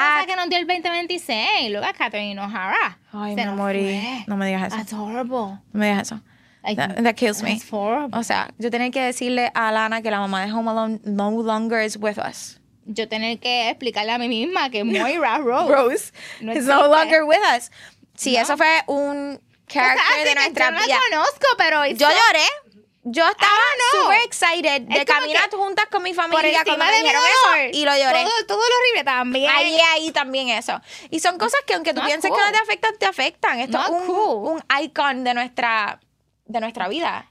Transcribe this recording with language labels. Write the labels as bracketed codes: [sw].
[es] Otra cosa que nos dio el 2026. Luego a Catherine O'Hara. Ay, me morí. Fue. No me digas eso. [en] That's horrible. [es] No me digas eso. [en] That kills me. That's horrible. [es] O sea, yo tener que decirle a Lana que la mamá de Home Alone [en] no longer is with us. [es] Yo tener que explicarle a mí misma que Moira Rose, [en] Rose no is no longer with us. [es] Sí, no. Eso fue un character, o sea, de nuestra vida. Yo no la conozco, pero... Yo lloré. Yo estaba [en] super excited [es] de caminar juntas con mi familia cuando me dijeron eso y lo lloré. Todo lo horrible también. Ahí también eso. Y son cosas que aunque tú pienses que no te afectan, te afectan. Esto es un icon de nuestra vida.